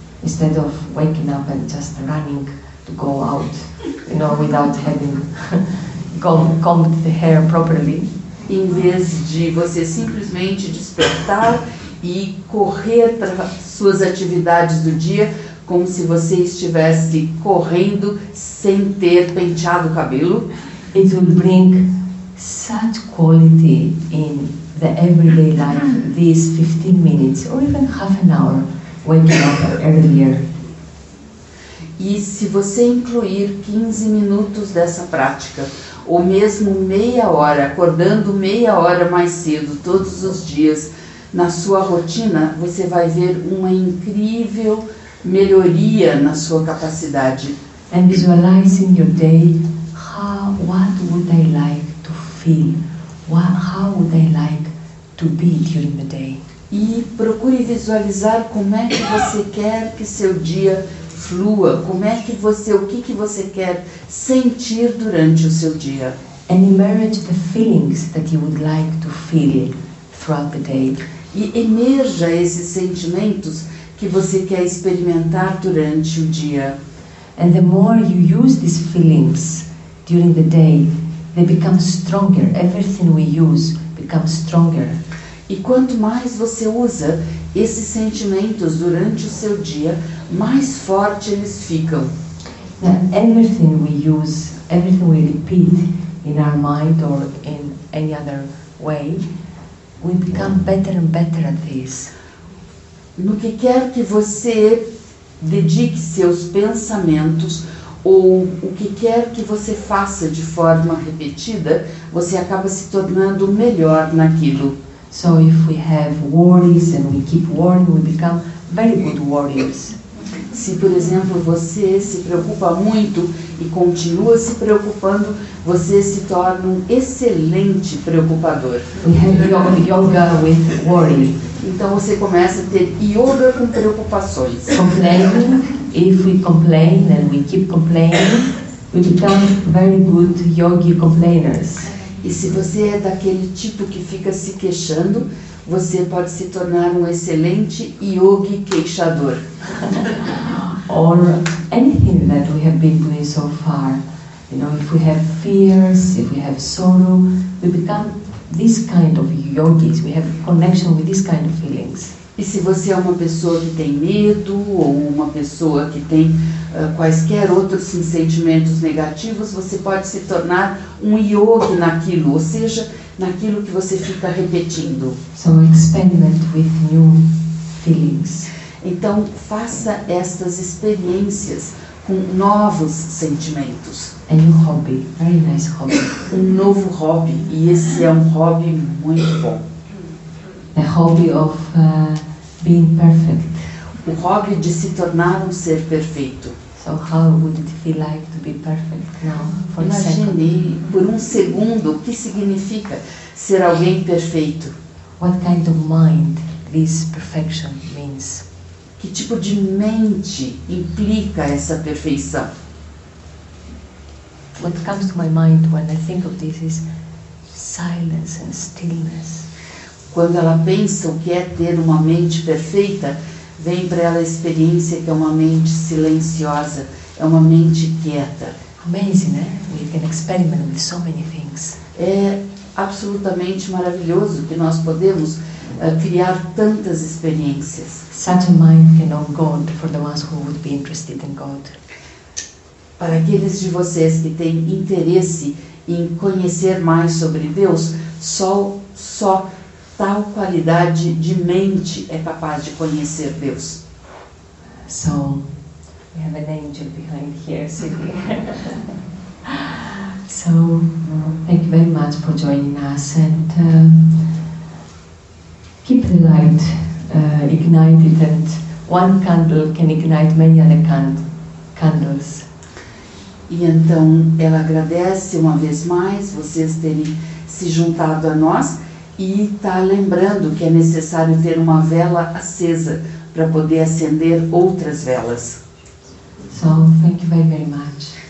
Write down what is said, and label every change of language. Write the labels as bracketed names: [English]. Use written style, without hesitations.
[English] Instead of waking up and just running to go out, you know, without having combed the hair properly. [Portuguese] Em vez de você simplesmente despertar e correr para suas atividades do dia, como se você estivesse correndo sem ter penteado o cabelo. [English] It will bring such quality in the everyday life, these 15 minutes, or even half an hour, waking up earlier. [Portuguese] E se você incluir 15 minutos dessa prática, ou mesmo meia hora, acordando meia hora mais cedo, todos os dias, na sua rotina, você vai ver uma incrível melhoria na sua capacidade. [English] And visualizing your day, what would I like to feel? How would I like to be during the day? [Portuguese] E procure visualizar como é que você quer que seu dia flua, como é que você, o que que você quer sentir durante o seu dia. [English] And emerge the feelings that you would like to feel throughout the day. [Portuguese] E emerja esses sentimentos que você quer experimentar durante o dia. [English] And the more you use these feelings during the day, they become stronger. Everything we use becomes stronger. [Portuguese] E quanto mais você usa esses sentimentos durante o seu dia, mais forte eles ficam. [English] Now, everything we use, everything we repeat in our mind or in any other way, we become better and better at this. [Portuguese] No que quer que você dedique seus pensamentos ou o que quer que você faça de forma repetida, você acaba se tornando melhor naquilo. [English] So if we have worries and we keep worrying, we become very good worriers. [Portuguese] Se, por exemplo, você se preocupa muito e continua se preocupando, você se torna um excelente preocupador. [English] We have yoga with worry. [Portuguese] Então você começa a ter yoga com preocupações. [English] Complaining, if we complain and we keep complaining, we become very good yogi complainers. [Portuguese] E se você é daquele tipo que fica se queixando, você pode se tornar um excelente yogi queixador. [English] Or anything that we have been doing so far. You know, if we have fears, if we have sorrow, we become this kind of yogis. We have connection with this kind of feelings. [Portuguese] E se você é uma pessoa que tem medo ou uma pessoa que tem quaisquer outros sentimentos negativos, você pode se tornar um yogi naquilo, ou seja, naquilo que você fica repetindo. [English] So experiment with new feelings. [Portuguese] Então faça estas experiências com novos sentimentos. [English] A new hobby, very nice hobby. [Portuguese] Um novo hobby, e esse é um hobby muito bom. [English] The hobby of being perfect. [Portuguese] O hobby de se tornar um ser perfeito. [English] So how would it feel like to be perfect now? For [Portuguese] imagine por um segundo o que significa ser alguém perfeito. [English] What kind of mind this perfection means? [Portuguese] Que tipo de mente implica essa perfeição? [English] What comes to my mind when I think of this is silence and stillness. [Portuguese] Quando ela pensa o que é ter uma mente perfeita, vem para ela a experiência que é uma mente silenciosa, é uma mente quieta. [English] Amazing, né? We can experiment with so many things. [Portuguese] É absolutamente maravilhoso que nós podemos criar tantas experiências. [English] Such a mind can know God for the ones who would be interested in God. [Portuguese] Para aqueles de vocês que têm interesse em conhecer mais sobre Deus, só tal qualidade de mente é capaz de conhecer Deus. [English] So, we have an angel behind here, Sylvie. So, thank you very much for joining us and keep the light ignited, and one candle can ignite many other candles. [Portuguese] E então ela agradece uma vez mais vocês terem se juntado a nós e está lembrando que é necessário ter uma vela acesa para poder acender outras velas. [English] So, thank you very, very much.